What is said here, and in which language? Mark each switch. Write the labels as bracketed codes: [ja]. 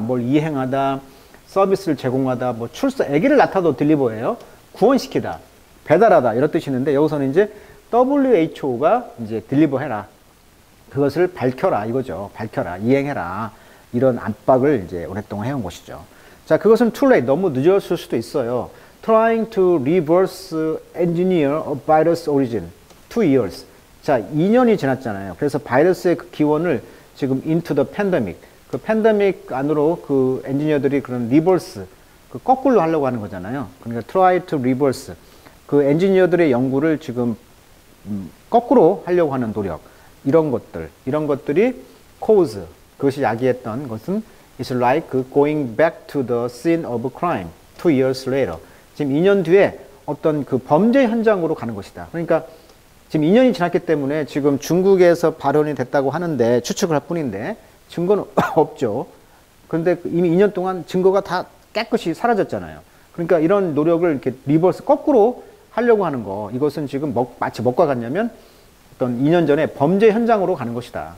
[ko] 뭘 이행하다, 서비스를 제공하다, 뭐 출석, 아기를 낳아도 deliver예요. 구원시키다, 배달하다 이런 뜻이 있는데 여기서는 이제 WHO가 이제 deliver해라. 그것을 밝혀라 이거죠. 밝혀라, 이행해라. 이런 압박을 이제 오랫동안 해온 것이죠. 자, 그것은 too late, 너무 늦었을 수도 있어요. [en] Trying to reverse engineer a virus origin. [ko] 2 years. 자, 2년이 지났잖아요. 그래서 바이러스의 그 기원을 지금 [en] into the pandemic. [ko] 그 pandemic 안으로 그 엔지니어들이 그런 reverse, 그 거꾸로 하려고 하는 거잖아요. 그러니까 [en] try to reverse. [ko] 그 엔지니어들의 연구를 지금 거꾸로 하려고 하는 노력. 이런 것들. 이런 것들이 [en] cause, [ko] 그것이 야기했던 것은 [en] It's like going back to the scene of crime 2 years later. [ko] 지금 2년 뒤에 어떤 그 범죄 현장으로 가는 것이다. 그러니까 지금 2년이 지났기 때문에 지금 중국에서 발언이 됐다고 하는데 추측을 할 뿐인데 증거는 없죠. 그런데 이미 2년 동안 증거가 다 깨끗이 사라졌잖아요. 그러니까 이런 노력을 이렇게 리버스 거꾸로 하려고 하는 거, 이것은 지금 마치 뭐가 같냐면 어떤 2년 전에 범죄 현장으로 가는 것이다.